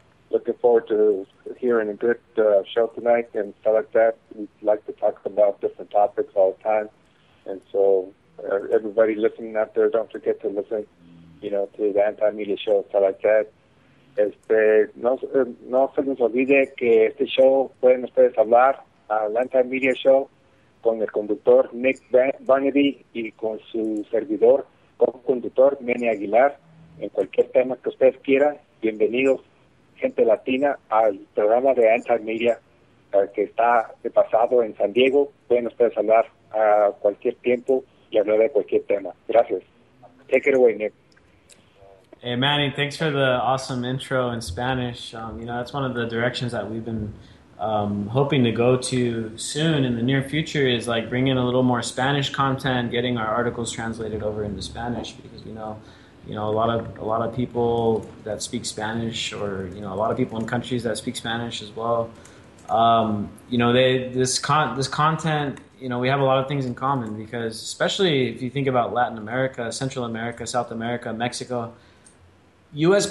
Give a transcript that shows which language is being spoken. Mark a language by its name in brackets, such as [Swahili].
[English] Looking forward to hearing a good show tonight and stuff like that. We like to talk about different topics all the time. And so everybody listening out there, don't forget to listen, you know, to the Anti-Media show, stuff like that. [Spanish] No se nos olvide que este show pueden ustedes hablar. El Anti-Media Show con el conductor Nick Burnaby y con su servidor, co-conductor Manny Aguilar, en cualquier tema que ustedes quieran. Bienvenidos, gente latina, al programa de Anti-Media que está de pasado en San Diego. Pueden ustedes hablar a cualquier tiempo y hablar de cualquier tema. Gracias. [English] Take it away, Nick. Hey, Manny, thanks for the awesome intro in Spanish. That's one of the directions that we've been hoping to go to soon in the near future, is like bring in a little more Spanish content, getting our articles translated over into Spanish, because you know a lot of people that speak Spanish, or you know, a lot of people in countries that speak Spanish as well, this content, you know, we have a lot of things in common, because especially if you think about Latin America, Central America, South America, Mexico, U.S.